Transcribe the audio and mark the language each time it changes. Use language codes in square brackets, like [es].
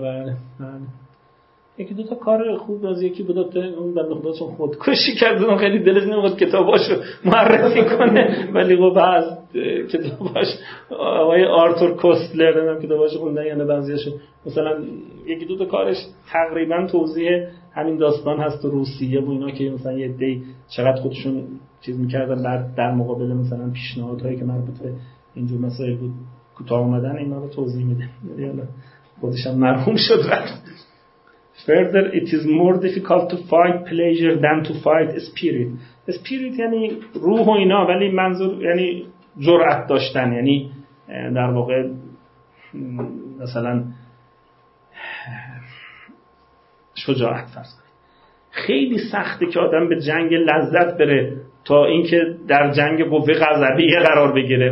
[fa] بله بله، یکی دو تا کار خوب از یکی بود اون بنده خدا چون خودکشی کرد، اون خیلی دلش نمیخواد کتاباشو معرفی کنه، ولی خب از کتاباش آقای آرتور کوستلر هم کتاباشو خوندن، یعنی بعضیاشو مثلا یکی دو تا کارش تقریبا توضیح همین داستان هست روسیه و اینا که مثلا یه دی چقدر خودشون چیز میکردن، بعد در مقابل مثلا پیشنهادهایی که مربوط به اینجور مسائل بود کوتاه اومدن اینا رو توضیح میده. حالا خودش هم مرحوم شد. [en] Further, it is more difficult to fight pleasure than to fight spirit. [fa] Spirit یعنی روح و اینا، ولی منظور یعنی جرأت داشتن، یعنی در واقع مثلا شجاعت فرض کنید. خیلی سخته که آدم به جنگ لذت بره تا اینکه در جنگ قوه غضبیه قرار بگیره.